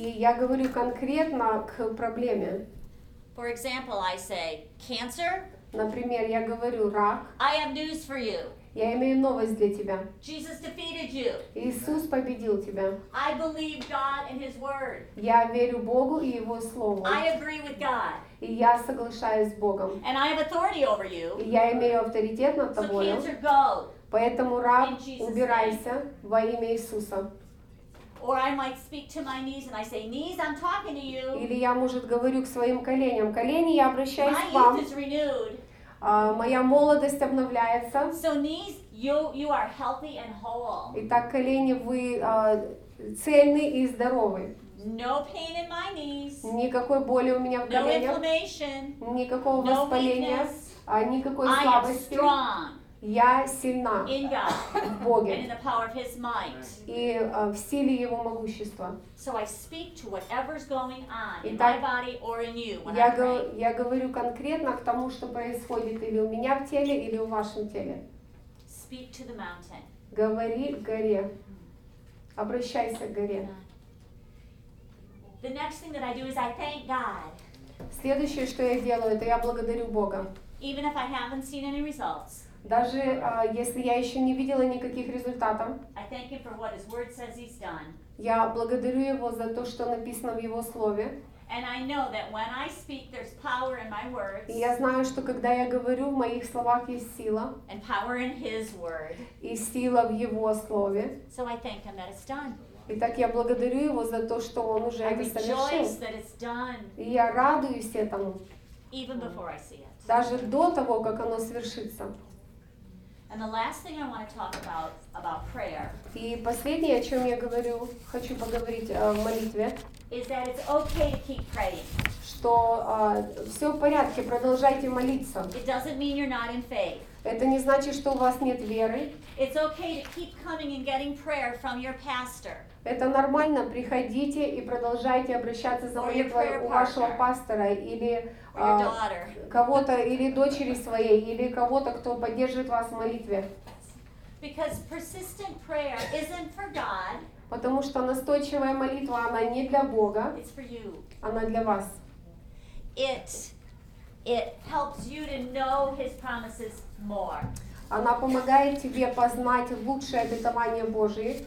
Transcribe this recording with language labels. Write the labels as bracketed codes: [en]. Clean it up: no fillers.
[ru] И я говорю конкретно к проблеме. [en] For example, I say, cancer. [ru] Например, я говорю рак. [en] I have news for you. [ru] Я имею новость для тебя. [en] Jesus defeated you. [ru] Иисус победил тебя. [en] I believe God and His word. [ru] Я верю Богу и Его Слову. [en] I agree with God. [ru] И я соглашаюсь с Богом. [en] And I have authority over you. [ru] И я имею авторитет над тобой. [en] So cancer, go. [ru] Поэтому рак, убирайся во имя Иисуса. [en] Or I might speak to my knees and I say, knees, I'm talking to you. [ru] Или я, может, говорю к своим коленям, колени, я обращаюсь [en] my [ru] к вам. [en] My youth is renewed. [ru] Моя молодость обновляется. [en] So knees, you are healthy and whole. [ru] Итак, колени, вы цельны и здоровы. [en] No pain in my knees. [ru] Никакой боли у меня в коленях. [en] No inflammation. [ru] Никакого воспаления. [en] No weakness. [ru] Никакой [en] I [ru] слабости. [en] Am strong. [ru] Я сильна [en] in God, [ru] в Боге [en] and in the power of his might. [ru] И в силе Его могущества. [en] So I speak to whatever's going on in my body or in you when I pray. [ru] Я говорю конкретно к тому, что происходит или у меня в теле, или в вашем теле. [en] Speak to the mountain. [ru] Говори горе. Обращайся к горе. [en] The next thing that I do is I thank God. [ru] Следующее, что я делаю, это я благодарю Бога. [en] Even if I haven't seen any results. [ru] Даже если я еще не видела никаких результатов, [en] I thank him for what his word says he's done. [ru] Я благодарю его за то, что написано в его слове. [en] And I know that when I speak, there's power in my words. [ru] И я знаю, что когда я говорю, в моих словах есть сила. [en] And power in his word. [ru] И сила в его слове. [en] So I thank him that it's done. [ru] Итак, я благодарю его за то, что он уже это совершил. И я радуюсь этому. [en] Even before I see it. [ru] Даже до того, как оно свершится. [en] And the last thing I want to talk about prayer. [ru] И последнее, о чем я говорю, хочу поговорить в молитве. [en] Is that it's okay to keep praying. [ru] Что все в порядке, продолжайте молиться. [en] It doesn't mean you're not in faith. [ru] Это не значит, что у вас нет веры. [en] It's okay to keep coming and getting prayer from your pastor. [ru] Это нормально, приходите и продолжайте обращаться за молитвой у вашего пастора или кого-то, или дочери своей, или кого-то, кто поддержит вас в молитве. [en] Because persistent prayer isn't for God. [ru] Потому что настойчивая молитва, она не для Бога. [en] It's for you. [ru] Она для вас. [en] It helps you to know his promises more. [ru] Она помогает тебе познать лучшее обетование Божие.